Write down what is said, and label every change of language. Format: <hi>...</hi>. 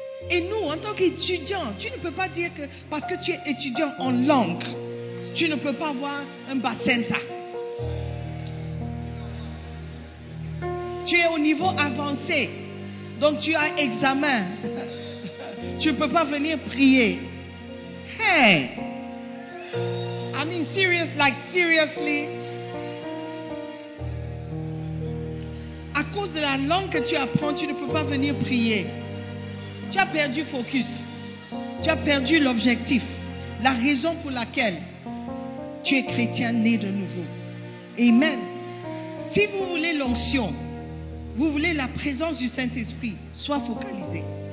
<fr>Et nous, en tant qu'étudiants, tu ne peux pas dire que parce que tu es étudiant en langue, tu ne peux pas avoir un bacenta. Tu es au niveau avancé. Donc tu as examen. Tu ne peux pas venir prier. Hey!</fr> <en>I mean serious, like seriously.</en> <fr>À cause de la langue que tu apprends, tu ne peux pas venir prier. Tu as perdu focus. Tu as perdu l'objectif. La raison pour laquelle tu es chrétien né de nouveau. Amen. Si vous voulez l'onction, vous voulez la présence du Saint-Esprit, sois focalisé.</fr>